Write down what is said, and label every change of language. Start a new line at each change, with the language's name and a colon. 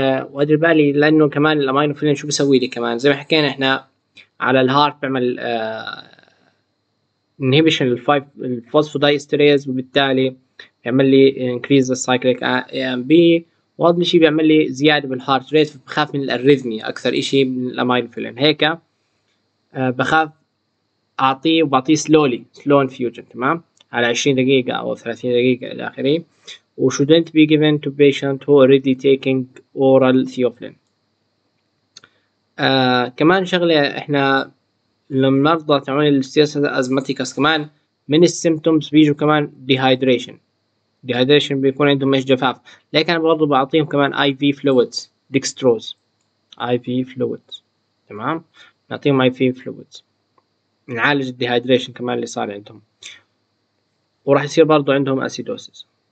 Arabic: وادري بالي لانه كمان الامينوفيلين شو بسوي لي، كمان زي ما حكينا احنا على الهارت بعمل انهيبيشن الفوسفودايستريز، وبالتالي بيعمل لي انكريز السايكليك اي ام بي، واضح شيء بيعمل لي زياده بالهارت ريت، فبخاف من الاريثميا اكثر شيء من الامينوفيلين، هيك بخاف اعطيه وبعطيه سلولي سلو انفيوجن، تمام، على 20 دقيقه او 30 دقيقه الى اخره.
English: و shouldn't be given to patient who already taking oral theophylline.
Arabic: كمان شغلة، احنا لما نرضى تعمل الستيس ازماتيكس كمان من السيمتومز بيجوا كمان ديهايدريشن بيكون عندهم مش جفاف، لكن برضو بعطيهم كمان اي في فلويدز ديكستروز، اي في فلويدز تمام، نعطيهم اي في فلويدز نعالج الديهايدريشن كمان اللي صار عندهم، وراح يصير برضو عندهم اسيدوسيس.